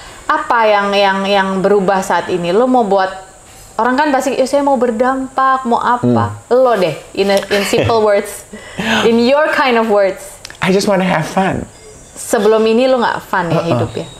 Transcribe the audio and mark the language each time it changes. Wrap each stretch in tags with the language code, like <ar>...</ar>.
<id>Apa yang berubah saat ini? Lu mau buat orang kan pasti saya mau berdampak, mau apa? Lo deh</id> <en>in simple words, in your kind of words. I just wanna have fun.</en> <id>Sebelum ini lu nggak fun ya hidup ya?</id>